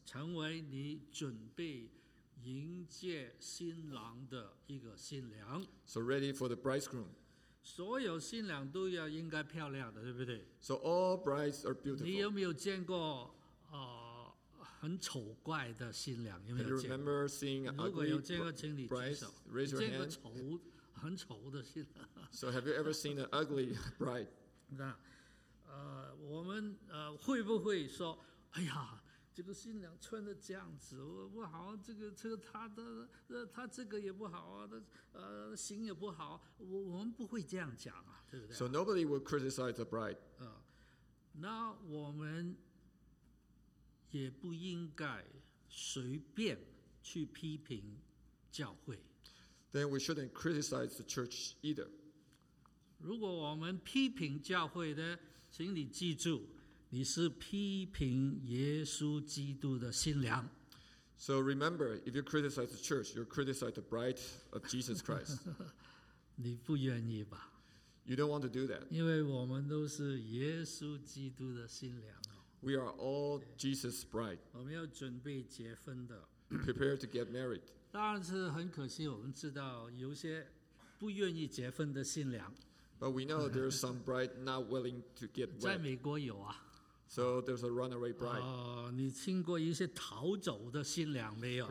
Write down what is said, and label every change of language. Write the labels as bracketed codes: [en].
[zh] 成为你准备迎接新郎的一个新娘。 [en] So ready for the bridegroom. [zh] 所有新娘都要应该漂亮的，对不对 [en] ？So all brides are beautiful. [zh] 你有没有见过很丑怪的新娘有没有见过？如果有见过，请你举手。 [en] Bride, [zh] 见过丑、很丑的新娘。 [en] So have you ever seen an ugly bride？ [zh] 那我们会不会说，哎呀，这个新娘穿的这样子不好，这个她这个也不好啊，型也不好，我们不会这样讲啊，对不对 [en] ？So nobody will criticize the bride。 [zh] 那我们。也不应该随便去批评教会。 [en] Then we shouldn't criticize the church either. [zh] 如果我们批评教会呢，请你记住，你是批评耶稣基督的新娘。 [en] So remember, if you criticize the church, you criticize the bride of Jesus Christ. [zh] 你不愿意吧？ [en] You don't want to do that. [zh] 因为我们都是耶稣基督的新娘。 [en] We are all Jesus' bride. [zh] 我们要准备结婚的。 [en] Prepare to get married. [zh] 当然是很可惜，我们知道有些不愿意结婚的新娘。 [en] But we know there's some bride not willing to get wed. [zh] 在美国有啊。 [en] So there's a runaway bride. [zh] 你听过一些逃走的新娘没有、啊、